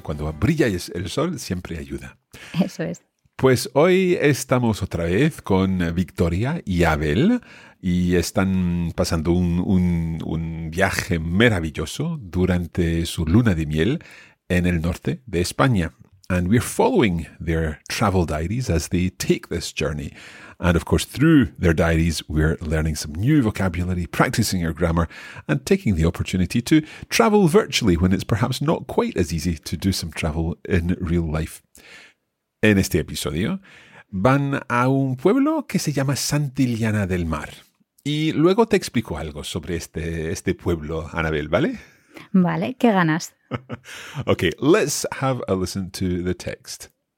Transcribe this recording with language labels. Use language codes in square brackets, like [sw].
[es] Cuando brilla el sol, siempre ayuda. Eso es. Pues hoy estamos otra vez con Victoria y Abel y están pasando un viaje maravilloso durante su luna de miel en el norte de España. [en] And we're following their travel diaries as they take this journey. And of course, through their diaries, we're learning some new vocabulary, practicing our grammar, and taking the opportunity to travel virtually when it's perhaps not quite as easy to do some travel in real life. [es] En este episodio, van a un pueblo que se llama Santillana del Mar. Y luego te explico algo sobre este pueblo, Anabel, ¿vale? Vale, qué ganas. [en] Okay, let's have a listen to the text.